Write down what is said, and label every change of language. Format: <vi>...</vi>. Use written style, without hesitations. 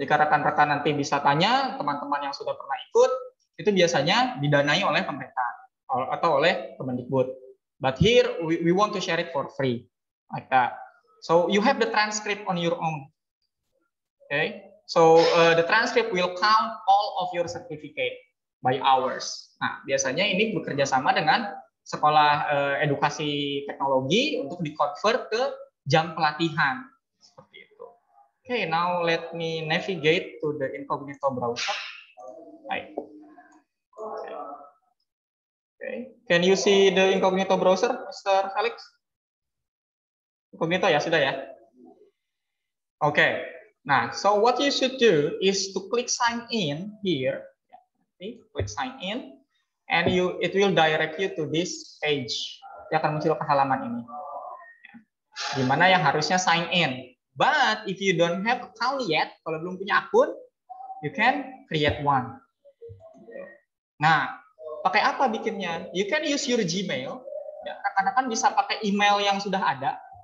<id>Jika rekan-rekan nanti bisa tanya, teman-teman yang sudah pernah ikut, itu biasanya didanai oleh pemerintah atau oleh Kemendikbud.</id> <en>But here we want to share it for free, like that. So you have the transcript on your own. Okay. So the transcript will count all of your certificate by hours.</en> <id>Nah, biasanya ini bekerja sama dengan sekolah edukasi teknologi untuk di-convert ke jam pelatihan seperti itu.</id> <en>Okay. Now let me navigate to the Incognito browser. Right. Okay. Can you see the Incognito browser, Mr. Felix?</en> <id>Incognito ya, sudah ya?</id> <en>Okay. Nah, so what you should do is to click sign in here. Okay. Click sign in. And it will direct you to this page.</en> <id>Dia akan muncul ke halaman ini. Gimana yang harusnya sign in.</id> <en>But if you don't have account yet,</en> <id>kalau belum punya akun,</id> <en>you can create one.</en> <id>Nah, pakai apa bikinnya?</id> <en>You can use your Gmail.</en> <id>Rekan-rekan bisa pakai email yang sudah ada.</id>